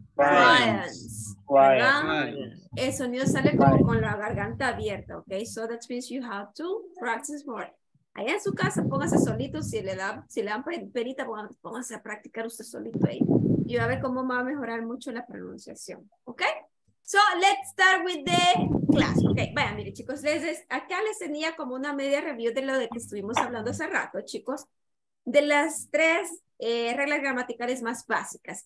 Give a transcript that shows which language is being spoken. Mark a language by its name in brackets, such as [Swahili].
[Spanish] Clients. El sonido sale como con la garganta abierta, ok? [English] So that means you have to practice more. [Spanish] Allá en su casa, póngase solito, si le dan penita, póngase a practicar usted solito ahí. Y va a ver cómo va a mejorar mucho la pronunciación, ok? [English] So let's start with the class, ok? [Spanish] Vaya, mire, chicos, acá les tenía como una media review de lo de que estuvimos hablando hace rato, chicos, de las tres reglas gramaticales más básicas.